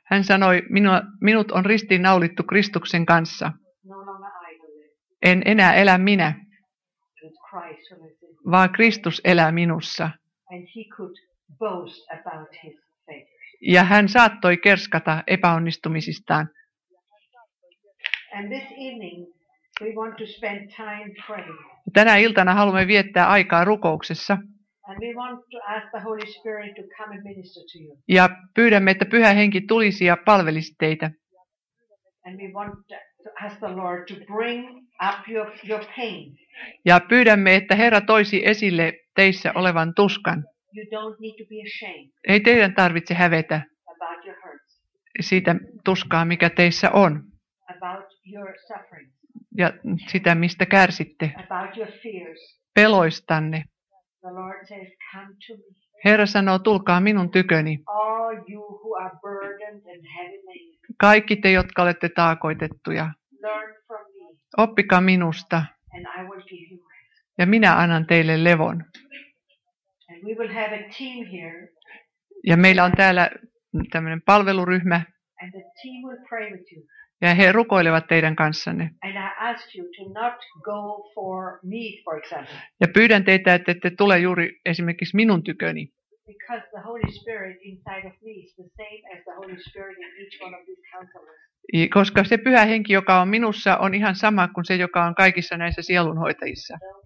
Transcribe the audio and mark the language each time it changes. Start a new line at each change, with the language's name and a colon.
Finnish: Hän sanoi, minut on ristiinnaulittu Kristuksen kanssa.
English: No longer I live.
Finnish: En enää elä minä,
English: Christ
Finnish: vaan Kristus elää minussa.
English: And he could boast about his faith.
Finnish: Ja hän saattoi kerskata epäonnistumisistaan.
English: And this evening we want to spend time praying.
Finnish: Tänä iltana haluamme viettää aikaa rukouksessa.
English: And we want to ask the Holy Spirit to come and minister to you.
Finnish: Ja pyydämme, että Pyhä Henki tulisi ja palvelisi teitä.
English: And we want to ask the Lord to bring up your pain.
Finnish: Ja pyydämme, että Herra toisi esille teissä olevan tuskan.
English: You don't need to be ashamed.
Finnish: Ei teidän tarvitse hävetä
English: about your hurts.
Finnish: Siitä tuskaa, mikä teissä on.
English: About your suffering.
Finnish: Ja sitä, mistä kärsitte.
English: About your fears.
Finnish: Peloistanne.
English: The Lord says, come to me.
Finnish: Herra sanoo, tulkaa minun tyköni.
English: All you who are burdened and heavy laden.
Finnish: Kaikki te, jotka olette taakoitettuja.
English: Learn from me.
Finnish: Oppikaa minusta.
English: And I will give you rest.
Finnish: Ja minä annan teille levon.
English: And we will have a team here.
Finnish: Ja meillä on täällä tämmöinen palveluryhmä.
English: And the team will pray with you.
Finnish: Ja he rukoilevat teidän kanssanne.
English: And I ask you to not go for me, for example.
Finnish: Ja pyydän teitä, että ette tule juuri esimerkiksi minun tyköni.
English: Because the Holy Spirit inside of me is the same as the Holy Spirit in each one of these counselors.
Finnish: Koska se Pyhä Henki, joka on minussa, on ihan sama kuin se, joka on kaikissa näissä sielunhoitajissa.